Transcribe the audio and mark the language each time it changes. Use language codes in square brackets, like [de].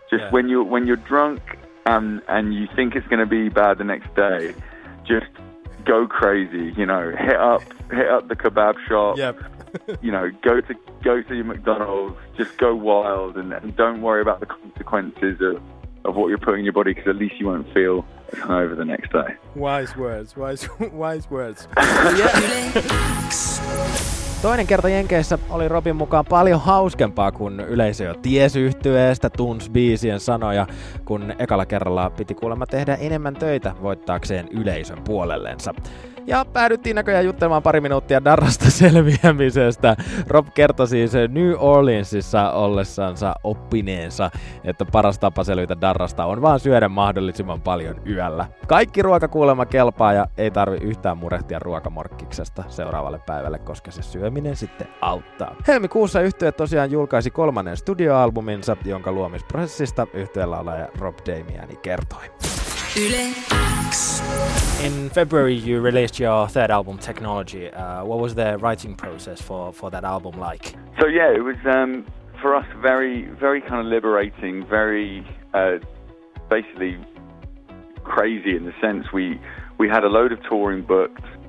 [en] When you're drunk and you think it's going to be bad the next day, just go crazy, hit up the kebab shop, yep. go to your McDonald's, just go wild and don't worry about the consequences of what you're putting in your body, because at least you won't feel hungover the next day. Wise words. [fi] Toinen kerta Jenkeissä oli Robin mukaan paljon hauskempaa, kun yleisö jo tiesi yhtyeestä, tunsi biisien sanoja, kun ekalla kerralla piti kuulemma tehdä enemmän töitä voittaakseen yleisön puolellensa. Ja päädyttiin näköjään juttelemaan pari minuuttia darrasta selviämisestä. Rob kertoi siis New Orleansissa ollessansa oppineensa, että paras tapa selvitä darrasta on vaan syödä mahdollisimman paljon yöllä. Kaikki ruokakuulema kelpaa ja ei tarvi yhtään murehtia ruokamorkkiksesta seuraavalle päivälle, koska se syöminen sitten auttaa. Helmikuussa yhtye tosiaan julkaisi kolmannen studioalbuminsa, jonka luomisprosessista yhtyeellä olaja Rob Damiani kertoi. [en] In February, you released your third album, Technology. What was the writing process for that album like? So yeah, it was for us very, very kind of liberating, very basically crazy in the sense we had a load of touring booked.